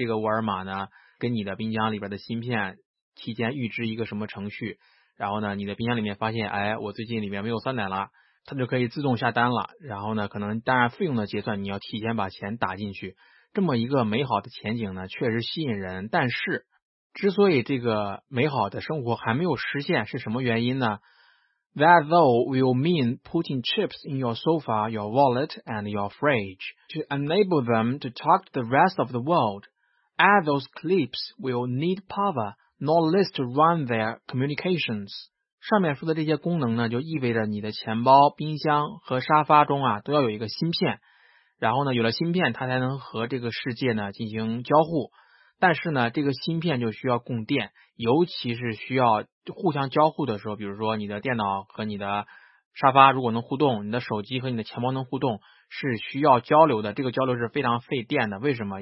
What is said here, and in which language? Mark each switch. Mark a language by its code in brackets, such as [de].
[zh] 这个沃尔玛呢跟你的冰箱里边的芯片提前预知一个什么程序，然后呢你的冰箱里面发现，哎，我最近里面没有酸奶了，它就可以自动下单了。然后呢，可能当然费用的结算你要提前把钱打进去。这么一个美好的前景呢确实吸引人，但是之所以这个美好的生活还没有实现是什么原因呢？ [en] That though will mean putting chips in your sofa, your wallet and your fridge to enable them to talk to the rest of the world. All those clips will need power, not least to run their communications. [zh] 上面说的这些功能呢，就意味着你的钱包、冰箱和沙发中啊，都要有一个芯片。然后呢，有了芯片，它才能和这个世界呢进行交互。但是呢，这个芯片就需要供电，尤其是需要互相交互的时候，比如说你的电脑和你的沙发如果能互动，你的手机和你的钱包能互动，是需要交流的。这个交流是非常费电的。为什么？